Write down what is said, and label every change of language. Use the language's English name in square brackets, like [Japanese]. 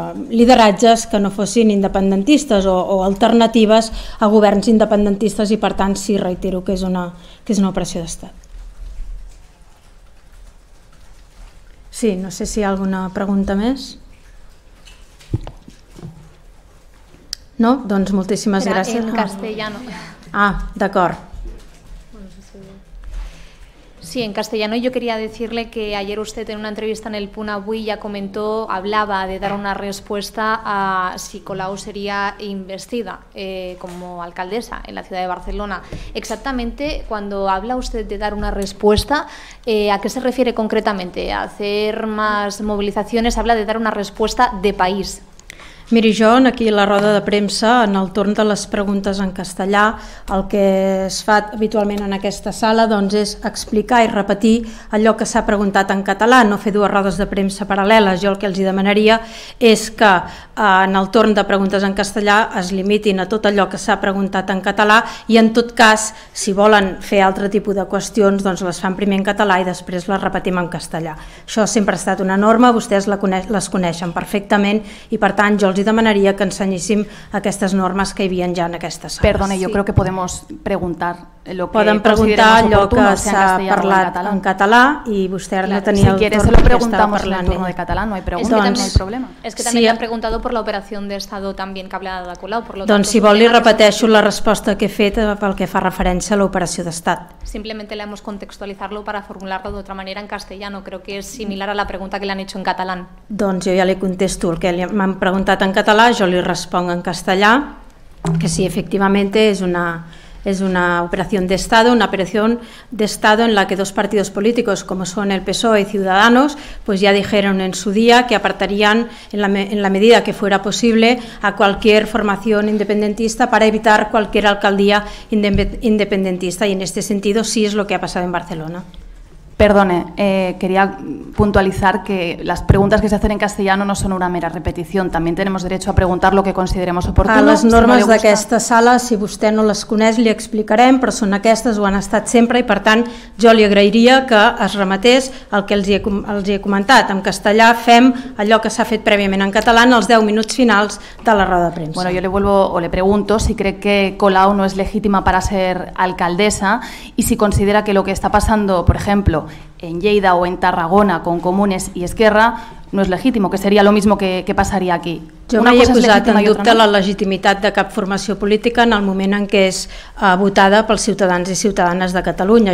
[Catalan] lideratges que no fossin independentistes o alternatives a governs independentistes i per tant sí, reitero que és una operació d'estat. Sí, no sé si hi ha alguna pregunta més. No? Doncs moltíssimes gràcies. [Spanish] En castellano. [Catalan] Ah, d'acord. [Spanish] Sí, en castellano yo quería decirle que ayer usted en una entrevista en el Punt Avui ya comentó, hablaba de dar una respuesta a si Colau sería investida como alcaldesa en la ciudad de Barcelona. Exactamente, cuando habla usted de dar una respuesta, ¿a qué se refiere concretamente? ¿A hacer más movilizaciones? Habla de dar una respuesta de país. [Catalan] Miri, jo aquí a la roda de premsa, en el torn de les preguntes en castellà, el que es fa habitualment en aquesta sala doncs, és explicar i repetir allò que s'ha preguntat en català, no fer dues rodes de premsa paral·leles. Jo el que els demanaria és que en el torn de preguntes en castellà es limitin a tot allò que s'ha preguntat en català i en tot cas, si volen fer altre tipus de qüestions, doncs les fan primer en català i després les repetim en castellà. Això sempre ha estat una norma, vostès les coneixen perfectament i per tant jo els demanaria que ensenyéssim aquestes normes que hi havia ja en aquestes sales. Perdona, jo crec que podem preguntar lo que podem preguntar allò que s'ha parlat en català i vostè ara no tenia el torn. [Spanish] Si quieres, lo preguntamos en el turno de català, no hay pregunta, doncs, no hay problema. Es que también le han preguntado por la operación de Estado también que ha hablado de Colau. [Catalan] Doncs si vol li repeteixo la resposta que he fet pel que fa referència a l'operació d'Estat. [Spanish] Simplemente le hemos contextualizarlo para formularlo de otra manera en castellano. Creo que es similar a la pregunta que le han hecho en catalán. [Catalan] Doncs jo ja li contesto el que m'han preguntat en català, jo li responc en castellà, que sí, efectivament és una [Spanish] es una operación de Estado, una operación de Estado en la que dos partidos políticos, como son el PSOE y Ciudadanos, pues ya dijeron en su día que apartarían, en la medida que fuera posible, a cualquier formación independentista para evitar cualquier alcaldía independentista. Y en este sentido sí es lo que ha pasado en Barcelona. Perdone, quería puntualizar que las preguntas que se hacen en castellano no son una mera repetición. También tenemos derecho a preguntar lo que consideremos oportuno. [Catalan] A les normes d'aquesta sala, si vostè no les coneix, li explicarem, però són aquestes, ho han estat sempre, i per tant jo li agrairia que es remetés el que els hi he comentat. En castellà fem allò que s'ha fet prèviament en català en els 10 minuts finals de la roda de premsa. [Spanish] Bueno, yo le vuelvo o le pregunto si cree que Colau no es legítima para ser alcaldesa y si considera que lo que está pasando, por ejemplo, en Lleida o en Tarragona con Comunes y Esquerra no es legítimo, que sería lo mismo que pasaría aquí. [Catalan] Jo mai he posat en dubte la legitimitat de cap formació política en el moment en què és votada pels ciutadans i ciutadanes de Catalunya.